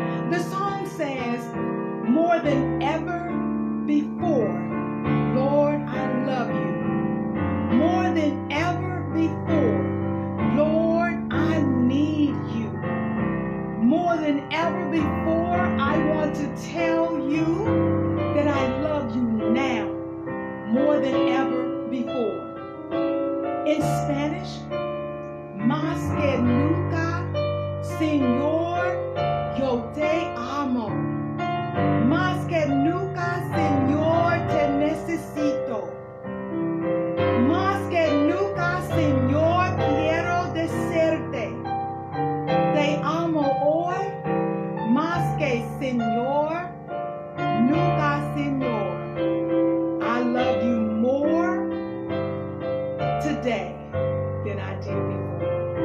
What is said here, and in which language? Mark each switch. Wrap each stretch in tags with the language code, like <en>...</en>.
<en>The song says, more than ever before, Lord, I love you. More than ever before, Lord, I need you. More than ever before, I want to tell you that I love you now. More than ever before. In Spanish,</en> <es>más que nunca, Señor, yo te amo. Más que nunca, Señor, te necesito. Más que nunca, Señor, quiero decirte. Te amo hoy, más que Señor, nunca, Señor.</es> <en>I love you more today than I did before.</en>